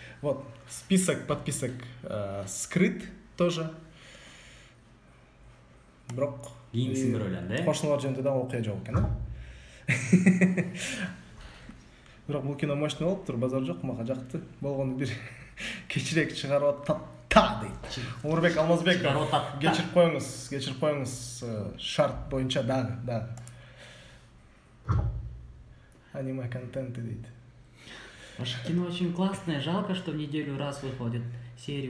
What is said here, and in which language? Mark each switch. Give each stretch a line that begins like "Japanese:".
Russian: Вот, список подписок скрыт тоже.
Kyrgyz: Бирок кийинкисин көрө элем, э? Кошуналар жөнүндө да окуя жок экен. Бирок бул кино мощный болуп туруп, базар жок, мага жакты. Болгону бир кечирээк чыгарып атат та дейт. Оорбек Алмазбеков, кечирип коюңуз шарт боюнча дагы. Аниме контенти дейт.
Russian: Ваше кино очень классное, жалко, что в неделю раз выходит серия.